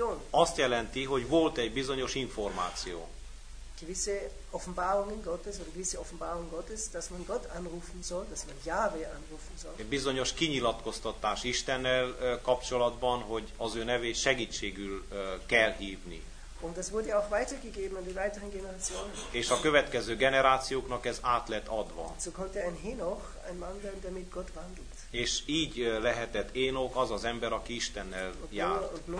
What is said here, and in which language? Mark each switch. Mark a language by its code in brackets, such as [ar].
[hu] Azt jelenti, hogy volt egy bizonyos információ. [de] Gewisse Offenbarungen Gottes oder gewisse Offenbarung Gottes, dass man Gott anrufen soll, dass man Jahwe anrufen soll. [hu] Egy bizonyos kinyilatkoztatás Istennel kapcsolatban, hogy az ő nevét segítségül kell hívni. [de] Und das wurde auch weitergegeben an die weiteren Generationen. [hu] És a következő generációknak ez át lett adva. [de] So konnte ein Henoch, ein Mann werden, der mit Gott wandelt. [hu] És így lehetett Énok, az az ember, aki Istennel járt.